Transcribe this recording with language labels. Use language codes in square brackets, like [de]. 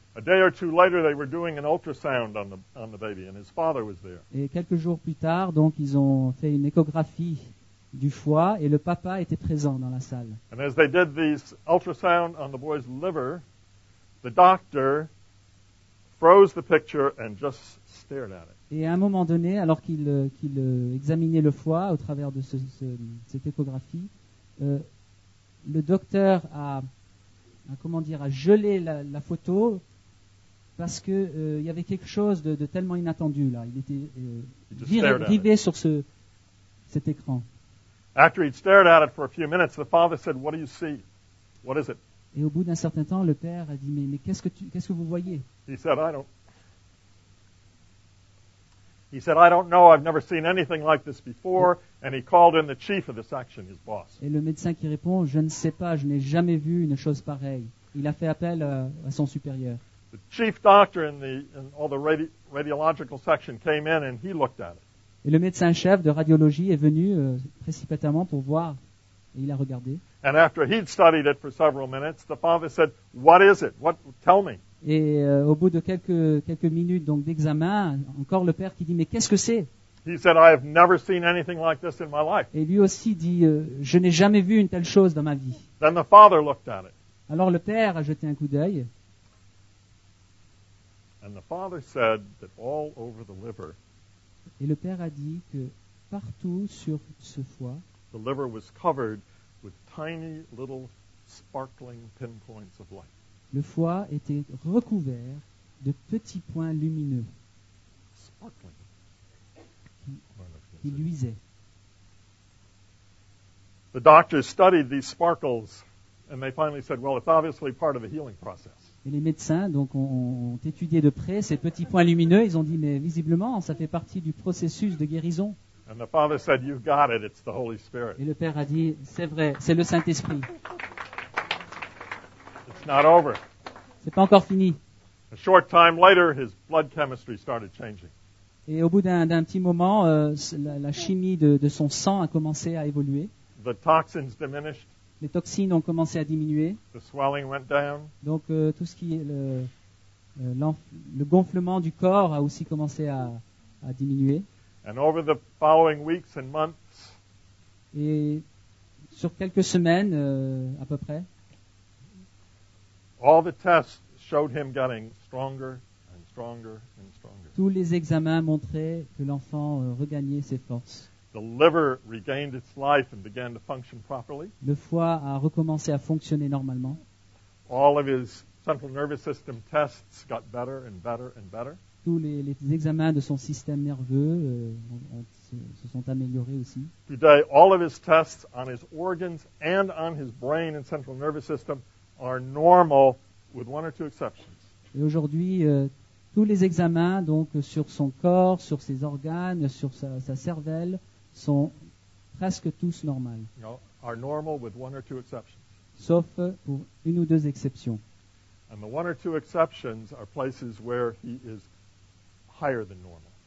[en] A day or two later, they were doing an ultrasound on the baby, and his father was there. [fr] Et quelques jours plus tard, donc, ils ont fait une échographie du foie, et le papa était présent dans la salle. [en] And as they did this ultrasound on the boy's liver, the doctor froze the picture and just stared at it. [fr] Et à un moment donné, alors qu'il examinait le foie au travers de cette échographie, le docteur a gelé la photo parce que il y avait quelque chose de tellement inattendu là. Il était rivé sur cet écran. [en] After he'd stared at it for a few minutes, the father said, "What do you see? What is it?" [fr] Et au bout d'un certain temps, le père a dit, "Mais qu'est-ce que vous voyez?" [en] He said, "I don't." He said, "I don't know. I've never seen anything like this before." And he called in the chief of the section, his boss. [fr] Et le médecin qui répond, "Je ne sais pas. Je n'ai jamais vu une chose pareille." Il a fait appel à son supérieur. [en] The chief doctor in the radiological section came in and he looked at it. [fr] Et le médecin chef de radiologie est venu précipitamment pour voir et il a regardé. [en] And after he'd studied it for several minutes, the father said, "What is it? What? Tell me." [fr] Et au bout de quelques minutes donc d'examen, encore le père qui dit, "Mais qu'est-ce que c'est?" [en] He said, "I have never seen anything like this in my life." [fr] Et lui aussi dit, "Je n'ai jamais vu une telle chose dans ma vie." [en] Then the father looked at it. [fr] Alors le père a jeté un coup d'œil. [en] And the father said that all over the liver. [fr] Et le père a dit que partout sur ce foie, [en] the liver was covered with tiny little sparkling pinpoints of light. [fr] Le foie était recouvert de petits points lumineux qui luisaient. [en] The doctors studied these sparkles and they finally said, "Well, it's obviously part of the healing process." [fr] Et les médecins donc ont étudié de près ces petits points lumineux, ils ont dit, "Mais visiblement, ça fait partie du processus de guérison." [en] And the father said, "You've got it, it's the Holy Spirit." [fr] Et le père a dit, "C'est vrai, c'est le Saint-Esprit." [en] It's not over. [fr] C'est pas encore fini. [en] A short time later, his blood chemistry started changing. [fr] Et au bout d'un petit moment, la chimie de son sang a commencé à évoluer. [en] The toxins diminished. [fr] Les toxines ont commencé à diminuer. [en] The swelling went down. [fr] Donc tout ce qui est le gonflement du corps a aussi commencé à diminuer. [en] And over the following weeks and months, [fr] et sur quelques semaines à peu près, [en] all the tests showed him getting stronger and stronger and stronger. [fr] Tous les examens montraient que l'enfant regagnait ses forces. [en] The liver regained its life and began to function properly. [fr] Le foie a recommencé à fonctionner normalement. [en] All of his central nervous system tests got better and better and better. [fr] Tous les examens de son système nerveux se sont améliorés aussi. [en] Today, all of his tests on his organs and on his brain and central nervous system are normal, with one or two exceptions. [fr] Et aujourd'hui, tous les examens donc sur son corps, sur ses organes, sur sa cervelle sont presque tous normaux. [en] Are normal with one or two exceptions. [fr] Sauf pour une ou deux exceptions. [en] And the one or two exceptions are places where he is higher than normal.